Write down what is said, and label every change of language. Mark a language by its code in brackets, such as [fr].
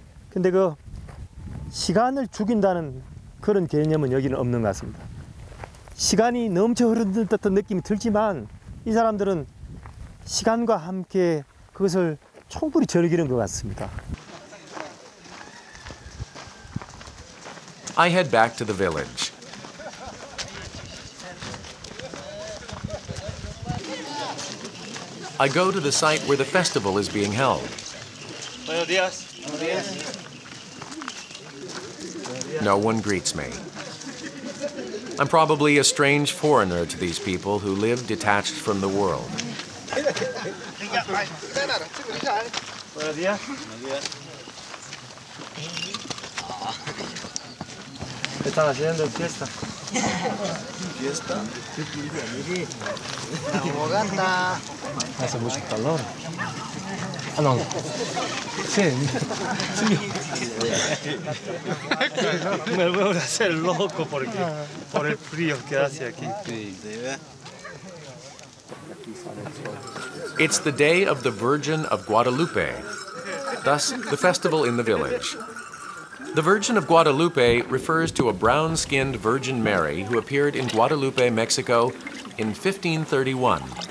[ko] 근데 그 시간을 죽인다는 그런 개념은 여기는 없는 것 같습니다. 시간이 넘쳐 흐르는 듯한 느낌이 들지만 이 사람들은 시간과 함께 그것을 충분히 즐기는 것 같습니다. [en] I head back to the village. I go to the site where the festival is being held. [es] Buenos dias. Buenos dias. [en] No one greets me. I'm probably a strange foreigner to these people who live detached from the world. [es] Buenos dias. Buenos dias. ¿Qué están haciendo? Fiesta. Fiesta. Fogata. Hace mucho calor. Ah, no. Sí. Sí. Me voy a hacer loco porque por el frío que hace aquí. [en] It's the day of the Virgin of Guadalupe, thus the festival in the village. The Virgin of Guadalupe refers to a brown-skinned Virgin Mary who appeared in Guadalupe, Mexico in 1531.